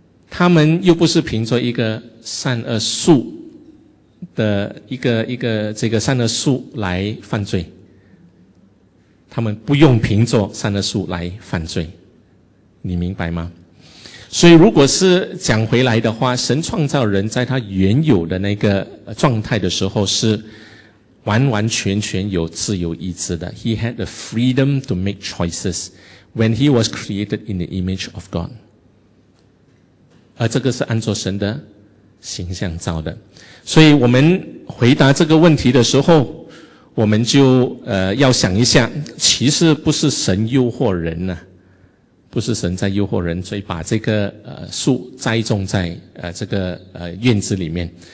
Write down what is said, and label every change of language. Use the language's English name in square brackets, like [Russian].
[Chinese] 他们又不是凭着一个善恶树的一个这个善恶树来犯罪，他们不用凭着善恶树来犯罪，你明白吗？所以如果是讲回来的话，神创造人在他原有的那个状态的时候是完完全全有自由意志的。 [English] He had the freedom to make choices when he was created in the image of God。 [Chinese] 而这个是按照神的形象造的。所以我们回答这个问题的时候，我们就要想一下，其实不是神诱惑人呢、啊，不是神在诱惑人，所以把这个树栽种在这个院子里面。